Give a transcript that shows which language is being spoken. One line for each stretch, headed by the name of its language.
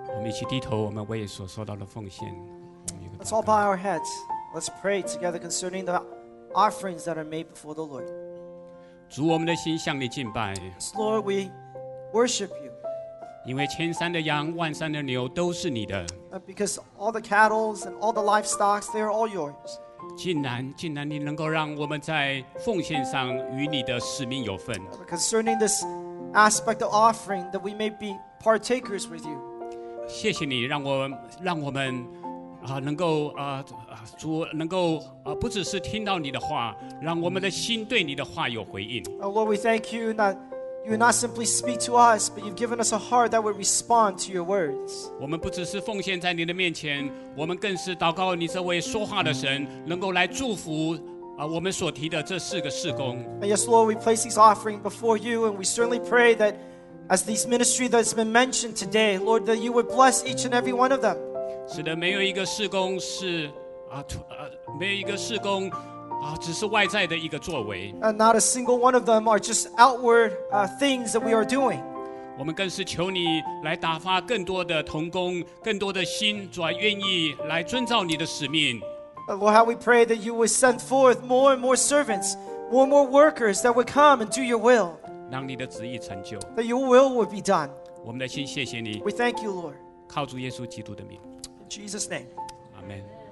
Chinese: 起低头，我们为所收到的奉献。
English: Let's all bow our heads. Let's pray together concerning the offerings that are made before the Lord.
Chinese: 主，我们的心向你敬拜。
English: Lord, we worship you.
Chinese: 因为千山的羊，万山的牛都是你的。
English: Because all the cattle and all the livestock, they are all yours.
Chinese: 竟然你能够让我们在奉献上与你的使命有份。
English: Concerning this aspect of offering, that we may be partakers with you.
Chinese: 谢谢你让我们能够主能够不只是听到你的话，让我们的心对你的话有回应。
English: Lord, we thank you that you not simply speak to us, but you've given us a heart that would respond to your words.
Chinese: 我们不只是奉献在你的面前，我们更是祷告你这位说话的神能够来祝福我们所提的这四个事工。
English: And yes, Lord, we place these offerings before you, and we certainly pray that as these ministry that's been mentioned today, Lord, that you would bless each and every one of them.
Chinese: 使得没有一个事工是没有一个事工只是外在的一个作为。
English: And not a single one of them are just outward things that we are doing.
Chinese: 我们更是求你来打发更多的同工，更多的心，主啊，愿意来遵照你的使命。
English: Lord, how we pray that you would send forth more and more servants, more and more workers that would come and do your will.
Chinese: 让你的旨意成就。
English: That your will would be done.
Chinese: 我们的心谢谢你。
English: We thank you, Lord.
Chinese: 靠主耶稣基督的名。
English: Jesus' name. Amen.